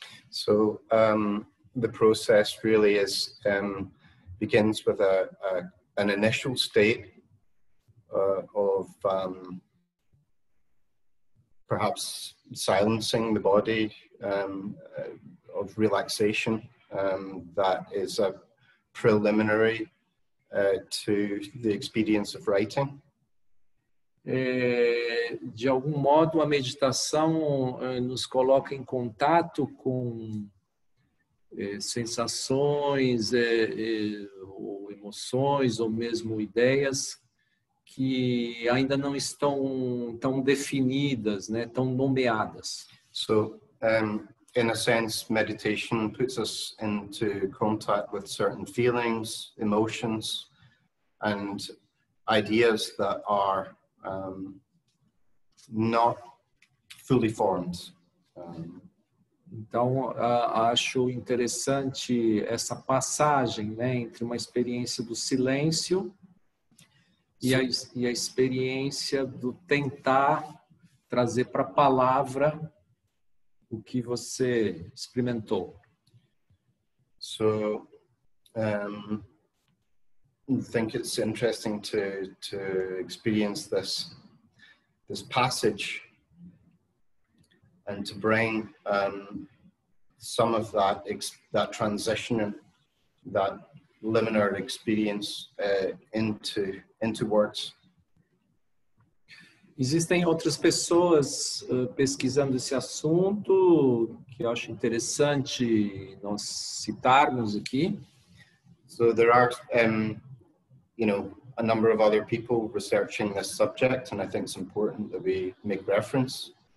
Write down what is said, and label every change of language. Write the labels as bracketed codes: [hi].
[en] So, the process really is begins with an initial state of perhaps silencing the body, of relaxation, that is a preliminary to the experience of writing. [pt] De algum modo, a meditação nos coloca em contato com sensações, ou emoções, ou mesmo ideias que ainda não estão tão definidas, né, tão nomeadas. [en] So, in a sense, meditation puts us into contact with certain feelings, emotions, and ideas that are not fully formed. [pt] Então, acho interessante essa passagem, né, entre uma experiência do silêncio e a experiência do tentar trazer para a palavra o que você experimentou. [en] So, I think it's interesting to experience this passage and to bring some of that transition, that liminar experience into words. [pt] Existem outras pessoas pesquisando esse assunto que eu acho interessante nós citarmos aqui. [en] So there are a number of other people researching this subject, and I think it's important that we make reference.